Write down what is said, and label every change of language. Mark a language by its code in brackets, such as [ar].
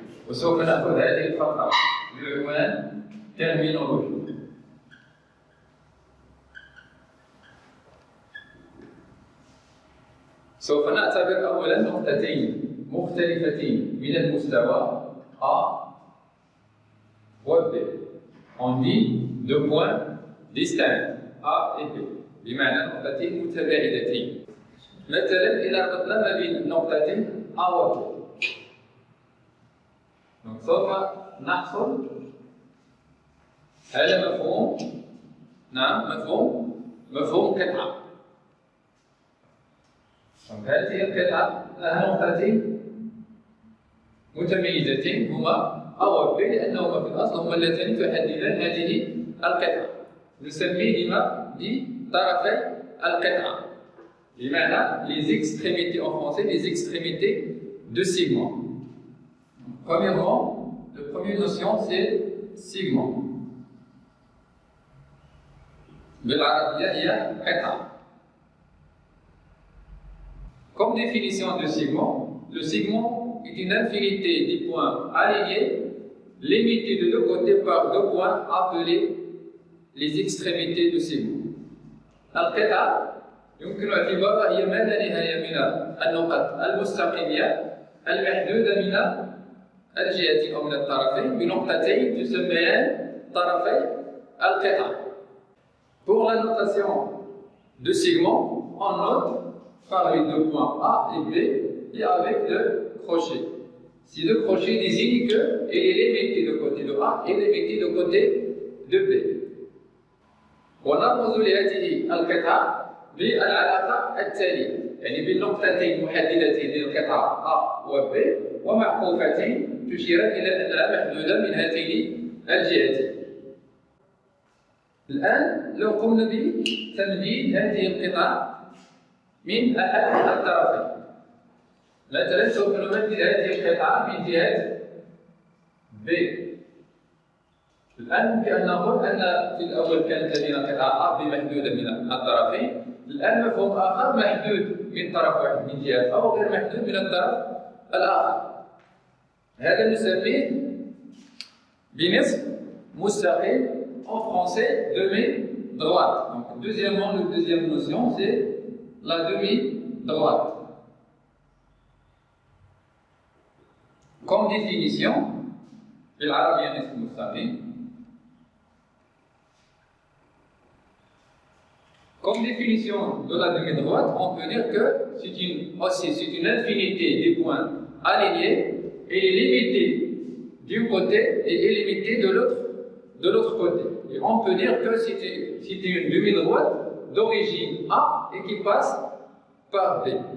[ar] وسوف ناخذ هذه الفقره بعنوان ترمينولوجي. سوف نعتبر اولا نقطتين مختلفتين من المستوى ا و ب. [fr] On dit deux points distincts A et B. [ar] بمعنى نقطتين متباعدتين. مثلا اذا ربطنا ما بين نقطتين A و B سوف نحصل هذا مفهوم. نعم مفهوم مفهوم قطعه. هذه القطعة لها نقطتين متميزتين هما A و B لأنهما في الأصل هما اللتان تحددان هذه القطعة. نسميهما بطرفي القطعة بمعنى [fr] les extrémités en français les extrémités de segment. Premièrement, la première notion c'est segment. [ar] بالعربية هي قطعة. [fr] Comme définition de segment, le segment est une infinité des points alignés limités de deux côtés par deux points appelés les extrémités du segment. [ar] القطعة يمكن اعتبارها هي ما لا نهاية من النقط المستقيمية المحدودة من الجهات أو من الطرفين بنقطتين تسميان طرفي القطعة. [fr] Pour la notation de segment, on note par les deux points A et B et avec le crochet. Si le crochet désigne que il est limité de côté de A et limité de côté de B. On a mesuré [ar] al-qita bi al-alaqa al-tali, يعني بالنقطتين محددتين للقطع A و B ومعقوفتين تشيران إلى أنها محدودة من هاتين الجهتين. الآن لو قمنا بتمديد هذه القطع من أحد الطرفين. مثلا سوف نمدد هذه القطعة من جهة B. الآن بأن نقول أن في الأول كانت لدينا قطعة A بمحدودة من الطرفين. الآن مفهوم آخر محدود من طرف واحد من جهة A وغير محدود من الطرف الآخر. هذا نسميه بنصف مستقيم [fr] en français demi droite. Donc deuxièmement, la deuxième notion c'est la demi-droite. Comme définition, [ar] في العربية نصف مستقيم. [fr] Comme définition de la demi-droite, on peut dire que c'est une aussi, c'est une infinité des points alignés et limité d'un côté et limité de l'autre côté. Et on peut dire que c'est une demi-droite d'origine A et qui passe par B.